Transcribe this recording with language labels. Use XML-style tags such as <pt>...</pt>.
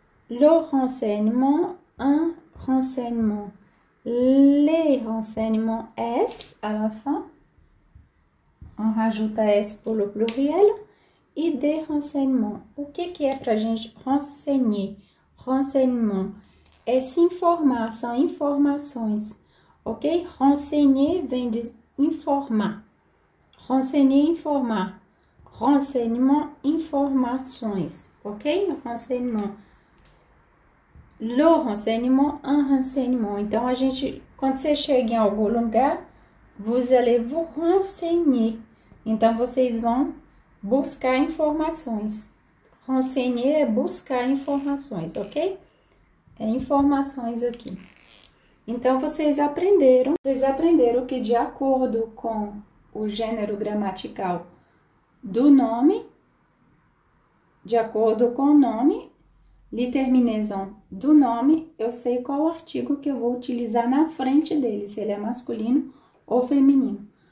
<fr>Le renseignement, un renseignement, les renseignements, est à la fin. On rajoute S pour le pluriel.</fr> <pt>E</pt> <fr>des renseignements.</fr> <pt>O que é para a gente renseigner? Renseignement é se informar, são informações, ok? Renseigner vem de informar. Renseigner, informar. Renseignement, informações, ok? Renseignement.</pt> <fr>Leur enseignement, un renseignement.</fr> <pt>Então, a gente, quando você chega em algum lugar,</pt> <fr>vous allez vous renseigner.</fr> <pt>Então, vocês vão buscar informações. Renseigner é buscar informações, ok? É informações aqui. Então, vocês aprenderam que, de acordo com o gênero gramatical do nome, de acordo com o nome, determinação do nome, eu sei qual artigo que eu vou utilizar na frente dele, se ele é masculino ou feminino.</pt>